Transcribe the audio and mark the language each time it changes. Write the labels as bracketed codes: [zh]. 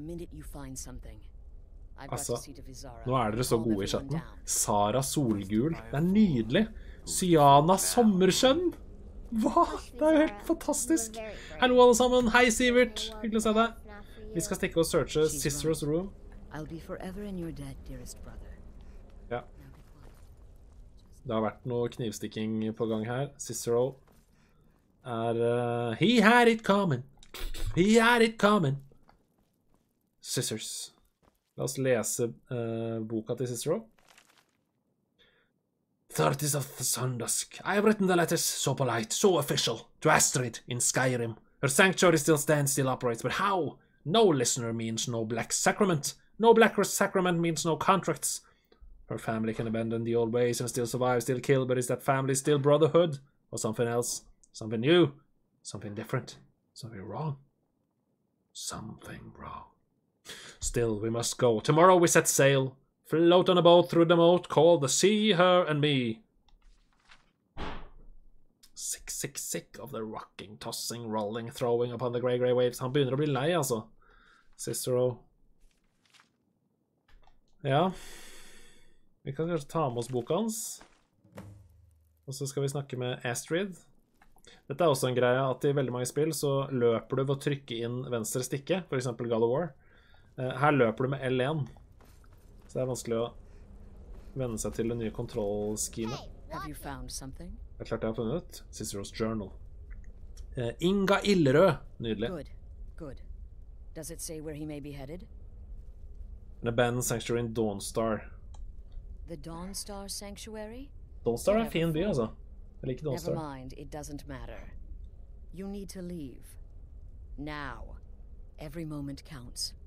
[no] Altså, nå er dere så gode i chatten. Sara Solgul, det er nydelig. Syana Sommerskjønn. Hva? Det er jo helt fantastisk. Hallo alle sammen, hei Sivert. Hyggelig å se deg. Vi skal stikke og searche Cicero's room. [en] I'll be forever in your debt, dearest brother. [no] Ja. Det har vært noe knivstikking på gang her. Cicero er... [en] He had it coming! He had it coming! Scissors. [no] La oss lese boka til Cicero. [en] Thirties of the Sundusk. I have written the letters so polite, so official, to Astrid in Skyrim. Her sanctuary still stands, still operates, but how? No listener means no black sacrament. No black sacrament means no contracts. Her family can abandon the old ways and still survive, still kill, but is that family still brotherhood? Or something else? Something new? Something different? Something wrong? Something wrong. Still, we must go. Tomorrow we set sail. Float on a boat through the moat called the sea, her and me. Sick, sick, sick of the rocking, tossing, rolling, throwing upon the grey, grey waves. [no] Han begynner å bli lei, altså. Cicero. Ja. Vi kan kanskje ta med oss boka hans. Og så skal vi snakke med Astrid. Dette er også en greie at i veldig mange spill så løper du ved å trykke inn venstre stikke, for eksempel God of War. Her løper du med L1. Så det er vanskelig å vende seg til det nye kontrollskema. [en] Have you found something? [no] Det er klart jeg har funnet ut. [en] Cicero's Journal. Inga Illerød. [no] Nydelig. [en] Good. Good. Does it say where he may be headed? An abandoned sanctuary in Dawnstar. The Dawnstar Sanctuary? [no] Dawnstar er en fin by, altså. Jeg liker Dawnstar. [en] Never mind, it doesn't matter. You need to leave. Now. Every moment counts.